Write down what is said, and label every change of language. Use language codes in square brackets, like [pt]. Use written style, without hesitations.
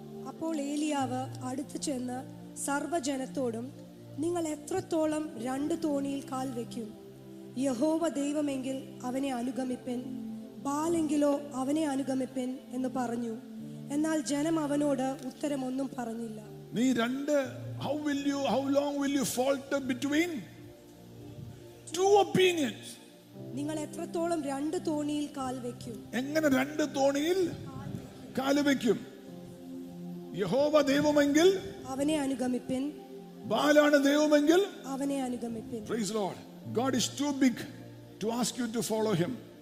[ml] അപ്പോൾ ഏലിയാവ് അടുത്തു ചെന്ന് സർവ്വജനത്തോടും, നിങ്ങൾ എത്രത്തോളം രണ്ട് തോണിയിൽ കാൽ വെക്കും? യഹോവ ദൈവമെങ്കിൽ അവനെ അനുഗമിപ്പൻ, ബാലെങ്കിലോ അവനെ അനുഗമിപ്പൻ എന്ന് പറഞ്ഞു. എന്നാൽ ജനം അവനോട് ഉത്തരമൊന്നും പറഞ്ഞില്ല. [en] നീ രണ്ട്, how long will you falter between two opinions? [ml] നിങ്ങൾ എത്രത്തോളം രണ്ട് തോണിയിൽ കാൽ വെക്കും? എങ്ങനെ രണ്ട് തോണിയിൽ കാൽ വെക്കും? യഹോവ ദൈവമെങ്കിൽ അവനെ അനുഗമിപ്പൻ, ബാലാണ് ദൈവമെങ്കിൽ അവനെ അനുഗമിപ്പിൻ. [en] Praise Lord. God is too big to ask you to follow him.